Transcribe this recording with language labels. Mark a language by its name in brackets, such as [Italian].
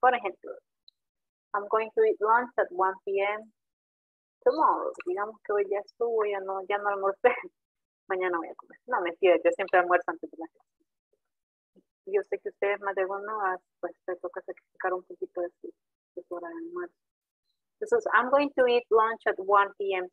[Spanish] Por ejemplo, [English] I'm going to eat lunch at 1 p.m. tomorrow. [Spanish] Digamos que hoy ya estuvo, ya no almorcé. Mañana voy a comer. No, mentira, yo siempre almuerzo antes de la clase. Yo sé que ustedes más de una vez, pues te toca sacrificar un poquito de su hora de almuerzo. [English] Entonces, I'm going to eat lunch at 1 p.m.